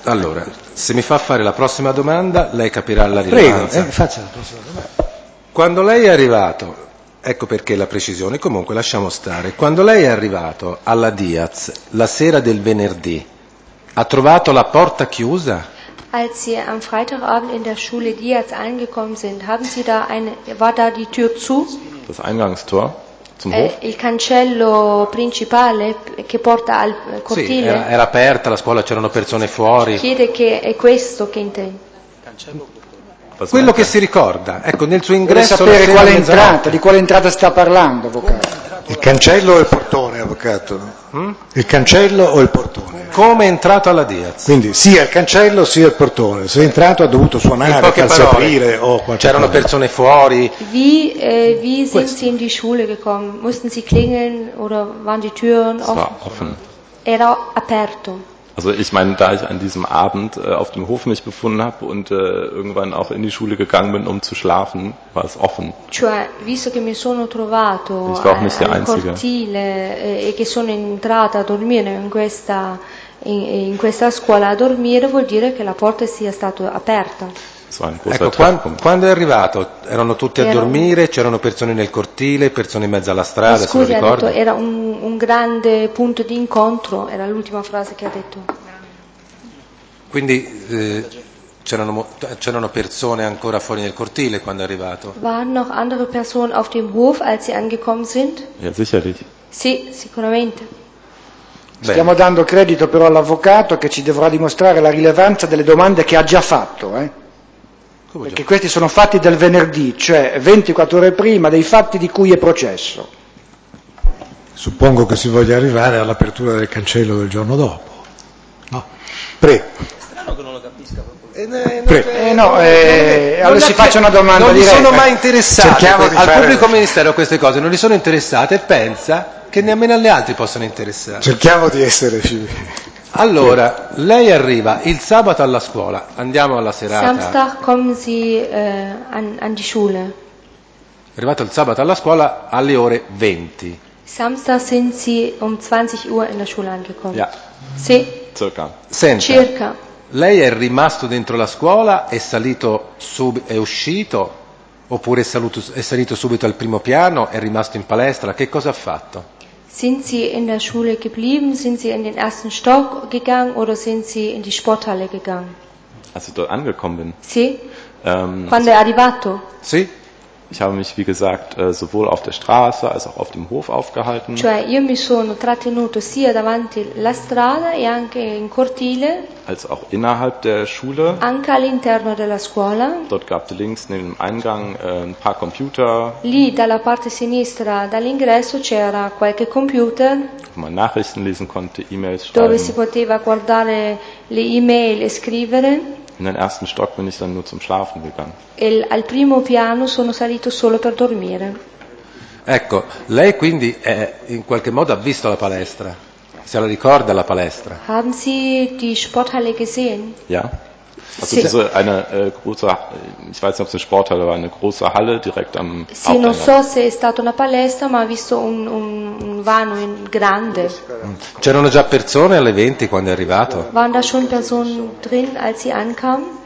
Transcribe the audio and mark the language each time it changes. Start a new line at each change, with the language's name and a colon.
Italian: Allora, se mi fa fare la prossima domanda, lei capirà la rilevanza. Prego, faccia la prossima domanda. Quando lei è arrivato... Ecco perché la precisione, comunque lasciamo stare. Quando lei è arrivato alla Diaz la sera del venerdì, ha trovato la porta chiusa?
German: Als Sie am Freitagabend in der Schule Diaz angekommen sind, haben Sie da eine, war da die Tür zu? Das Eingangstor zum Hof?
Italian: Il cancello principale che porta al cortile? Sì, era aperta la scuola, c'erano persone fuori. Chiede che è questo che intende. Quello che si ricorda, ecco, nel suo ingresso... Vuole sapere quale entrata, di quale entrata sta parlando, avvocato? Il cancello o il portone, avvocato? Il cancello o il portone? Come è entrato alla Diaz? Quindi, sia il cancello, sia il portone. Se è entrato, ha dovuto suonare, farsi aprire o qualcosa. C'erano persone fuori.
German: Wie sind Sie in die Schule gekommen? Mussten Sie klingeln oder waren die Türen offen?
Italian: Era aperto.
German: Also ich meine, da ich an diesem Abend auf dem Hof mich befunden habe und irgendwann auch in die Schule gegangen bin, um zu schlafen, war es offen.
Italian: Cioè, visto che mi sono trovato nel cortile e che sono entrata a dormire in questa scuola a dormire, vuol dire che la porta sia stata aperta. Ecco, quando è arrivato, erano tutti a dormire, c'erano persone nel cortile, persone in mezzo alla strada, scusi, se lo ricordo. Detto, era un grande punto di incontro, era l'ultima frase che ha detto. Quindi c'erano persone ancora fuori nel cortile quando è arrivato?
German: Waren noch andere Personen auf dem Hof, als sie angekommen sind? Ja, sicherlich.
Italian: Sì, sicuramente. Bene. Stiamo dando credito però all'avvocato che ci dovrà dimostrare la rilevanza delle domande che ha già fatto, Perché questi sono fatti del venerdì, cioè 24 ore prima dei fatti di cui è processo. Suppongo che si voglia arrivare all'apertura del cancello del giorno dopo. No. Strano che non lo capisca proprio. Allora si faccia una domanda non diretta. Non gli sono mai interessati al pubblico ministero queste cose, non gli sono interessate, pensa che nemmeno alle altre possano interessare. Cerchiamo di essere civili. Allora, lei arriva il sabato alla scuola, andiamo alla serata.
German: Samstag kommen Sie an die Schule.
Italian: È arrivato il sabato alla scuola alle ore 20.
German: Samstag sind Sie um 20 Uhr in der Schule angekommen. Ja.
Italian: Sì. Circa. Senta, circa. Lei è rimasto dentro la scuola, è salito subito, è uscito, oppure è salito subito al primo piano, è rimasto in palestra, che cosa ha fatto?
German: Sind Sie in der Schule geblieben? Sind Sie in den ersten Stock gegangen oder sind Sie in die Sporthalle gegangen? Als ich dort angekommen bin.
Italian: Sì. Quando è arrivato? Sì.
German: Ich habe mich, wie gesagt, sowohl auf der Straße als auch auf dem Hof aufgehalten.
Italian: Cioè, io mi sono trattenuto sia davanti la strada e anche in cortile.
German: Als auch innerhalb der Schule.
Italian: Anche all'interno della scuola.
German: Dort gab es links neben dem Eingang ein paar Computer.
Italian: Lì, dalla parte sinistra, dall'ingresso, c'era qualche computer.
German: Wo man Nachrichten lesen konnte, E-Mails schreiben.
Italian: Dove si poteva guardare le E-Mail e scrivere.
German: In den ersten Stock bin ich dann nur zum Schlafen gegangen.
Italian: Al primo piano sono salito solo per dormire. Ecco, lei quindi è, in qualche modo ha visto la palestra. Se la ricorda la palestra.
German: Haben Sie die Sporthalle gesehen? Ja. Also
Italian: sì.
German: Eine große, ich weiß nicht, ob es eine Sporthalle war, eine große Halle direkt am Haupteingang.
Italian: Sì, non so se è stata una palestra, ma ha visto un vano grande. C'erano già persone alle 20 quando è arrivato?
German: Waren da schon Personen drin, als sie ankam?